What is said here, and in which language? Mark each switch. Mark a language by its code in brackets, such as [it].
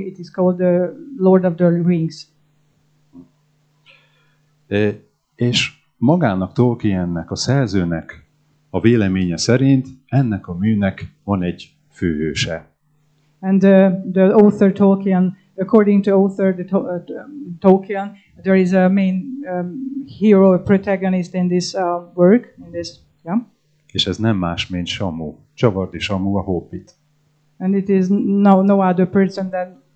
[en] It is called the Lord of the Rings. [hu] És magának Tolkiennek, a szerzőnek a véleménye szerint ennek a műnek van egy főhőse. [en] And the author Tolkien, according to author the Tolkien, there is a main hero, a protagonist in this work, in this, yeah. [hu] És ez nem más, mint Samu, Csavardi Samu, a Hobbit. [en] And it is no other person than